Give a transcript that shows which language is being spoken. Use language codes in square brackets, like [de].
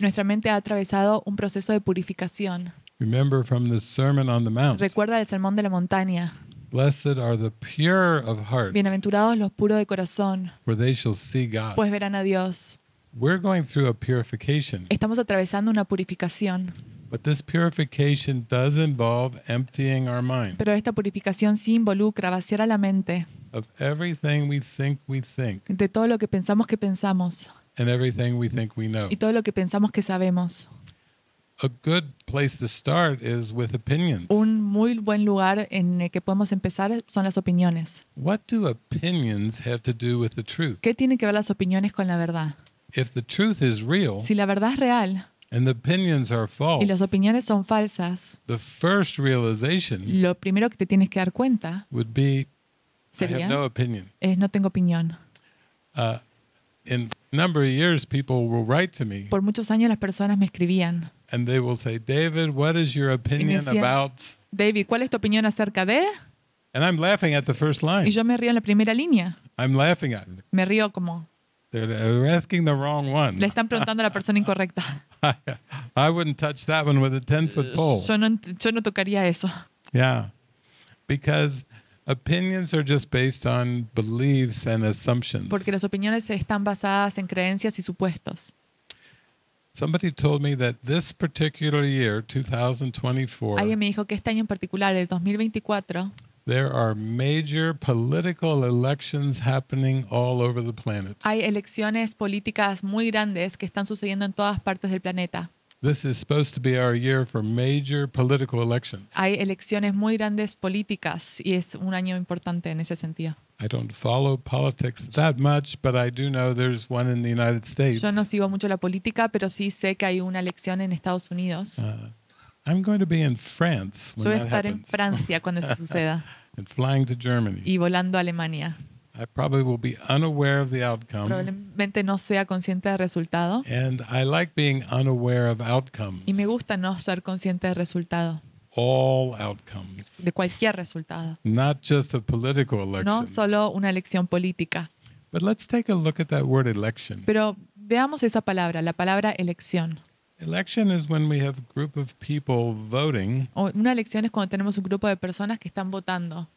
[es] Nuestra mente ha atravesado un proceso de purificación. [en] Remember from the Sermon on the Mount. [es] Recuerda el Sermón de la Montaña. [en] Blessed are the pure of heart. [es] Bienaventurados los puros de corazón. [en] For they shall see God. [es] Pues verán a Dios. [en] We're going through a purification. [es] Estamos atravesando una purificación. [en] But this purification does involve emptying our mind. [es] Pero esta purificación sí involucra vaciar a la mente. [en] Of everything we think we think. [es] De todo lo que pensamos que pensamos. [en] And everything we think we know. [es] Y todo lo que pensamos que sabemos. [en] A good place to start is with opinions. [es] Un muy buen lugar en el que podemos empezar son las opiniones. [en] What do opinions have to do with the truth? [es] ¿Qué tienen que ver las opiniones con la verdad? [en] If the truth is real. [es] Si la verdad es real. [en] And the opinions are false. [es] Y las opiniones son falsas. [en] The first realization. [es] Lo primero que te tienes que dar cuenta. [en] Would be. [es] Sería, [en] I have no opinion. [es] Es no tengo opinión. [en] In a number of years, people will write to me. [es] Por muchos años las personas me escribían. [en] And they will say, David, what is your opinion [es] decían, [en] about? [es] David, ¿cuál es tu opinión acerca de? [en] And I'm laughing at the first line. [es] Y yo me río en la primera línea. [en] I'm laughing at it. [es] Me río como. [en] They're asking the wrong one. [es] Le están preguntando a la persona incorrecta. [en] I wouldn't touch that one with a 10-foot pole. [es] Yo no tocaría eso. [en] Yeah. Because opinions are just based on beliefs and assumptions. [es] Porque las opiniones están basadas en creencias y supuestos. [en] Somebody told me that this particular year, 2024. [es] Alguien me dijo que este año en particular, el 2024, [en] there are major political elections happening all over the planet. [es] Hay elecciones políticas muy grandes que están sucediendo en todas partes del planeta. [en] This is supposed to be our year for major political elections. [es] Hay elecciones muy grandes políticas y es un año importante en ese sentido. [en] I don't follow politics that much, but I do know there's one in the United States. [es] Yo no sigo mucho la política, pero sí sé que hay una elección en Estados Unidos. [en] I'm going to be in France when that happens. [es] Voy a estar en Francia cuando eso suceda. [en] And flying to Germany. [es] Y volando a Alemania. [en] I probably will be unaware of the outcome. [es] Probablemente no sea consciente del resultado. [en] And I like being unaware of outcomes. [es] Y me gusta no ser consciente del resultado. [en] All outcomes. [es] De cualquier resultado. [en] Not just a political election. [es] No solo una elección política. [en] But let's take a look at that word election. [es] Pero veamos esa palabra, la palabra elección. [en] Election is when we have a group of people voting. [es] Una elección es cuando tenemos un grupo de personas que están votando.